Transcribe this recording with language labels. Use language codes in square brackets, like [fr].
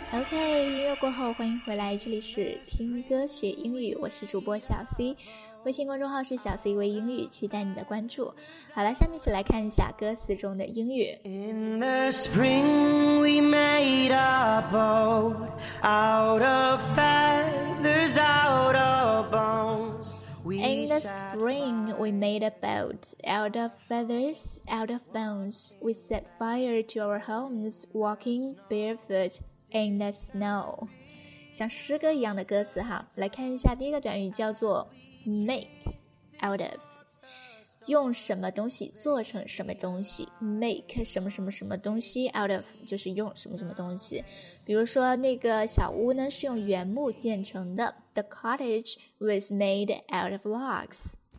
[zh] 这里是听歌学英语，我是主播小 C， 微信公众号是小 C 微英语，期待你的关注。好了，下面一起来看一下歌词中的英语。 [en] In the spring we made boat out of feathers, out of bones. In the spring, we made a boat out of feathers, out of bones. We set fire to our homes, walking barefoot in the snow. [zh] 像诗歌一样的歌词哈，来看一下第一个短语叫做 make out of， 用什么东西做成什么东西 ，make 什么什么什么东西 out of 就是用什么什么东西。比如说那个小屋呢是用原木建成的 ， The cottage was made out of logs。